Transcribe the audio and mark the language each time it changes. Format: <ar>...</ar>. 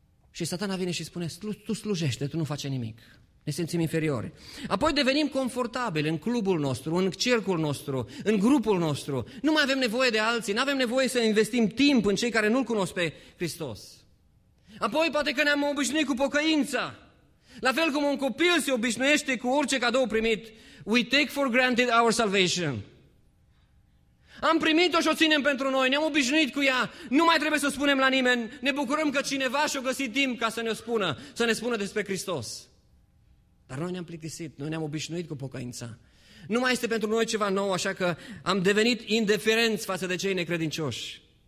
<ro>Și Satana vine și spune, tu slujește, tu nu faci nimic. Ne simțim inferiori. Apoi devenim confortabili în clubul nostru, în cercul nostru, în grupul nostru. Nu mai avem nevoie de alții, nu avem nevoie să investim timp în cei care nu-L cunosc pe Hristos. Apoi poate că ne-am obișnuit cu pocăința. La fel cum un copil se obișnuiește cu orice cadou primit.</ro> <en>We take for granted our salvation.</en> <ro>Am primit-o și o ținem pentru noi, ne-am obișnuit cu ea, nu mai trebuie să o spunem la nimeni, ne bucurăm că cineva și-o găsit timp ca să ne-o spună, să ne spună despre Hristos. Dar noi ne-am plictisit, noi ne-am obișnuit cu pocăința. Nu mai este pentru noi ceva nou, așa că am devenit indiferenți față de cei necredincioși.</ro>